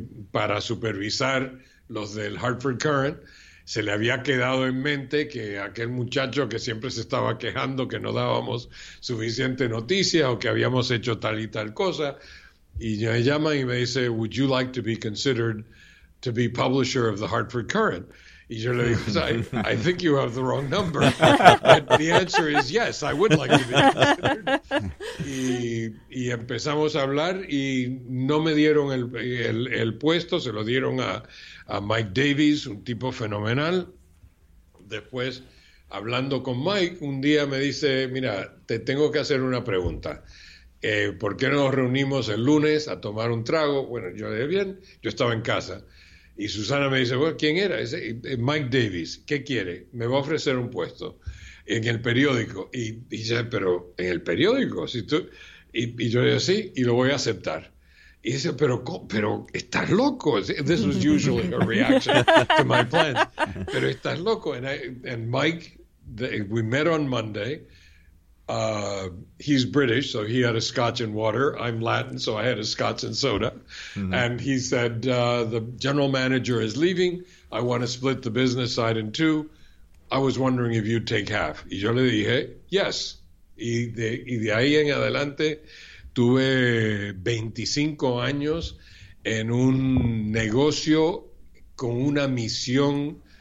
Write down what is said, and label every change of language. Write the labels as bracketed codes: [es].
[es] para supervisar los del Hartford Courant, se le había quedado en mente que aquel muchacho que siempre se estaba quejando que no dábamos suficiente noticia o que habíamos hecho tal y tal cosa, y me llama y me dice, [en] "Would you like to be considered to be publisher of the Hartford Courant?" [es] Y yo le digo, [en] I think you have the wrong number. And the answer is yes, I would like to be considered. [es] Y empezamos a hablar y no me dieron el puesto, se lo dieron a Mike Davies, un tipo fenomenal. Después, hablando con Mike, un día me dice, mira, te tengo que hacer una pregunta. ¿Por qué no nos reunimos el lunes a tomar un trago? Bueno, yo le dije, bien, yo estaba en casa. Y Susana me dice, bueno, ¿quién era? Dice, Mike Davies, ¿qué quiere? Me va a ofrecer un puesto en el periódico. Y dice, pero ¿en el periódico? Si tú... y yo le dije, sí, y lo voy a aceptar. Y dice, pero ¿estás loco? [en] This was usually a reaction to my plan. [es] Pero ¿estás loco? [en] And Mike, we met on Monday. He's British, so he had a scotch and water. I'm Latin, so I had a scotch and soda. Mm-hmm. And he said, the general manager is leaving. I want to split the business side in two. I was wondering if you'd take half. [es] Y yo le dije, yes. Y de ahí en adelante... Tuve 25 años en un negocio con una misión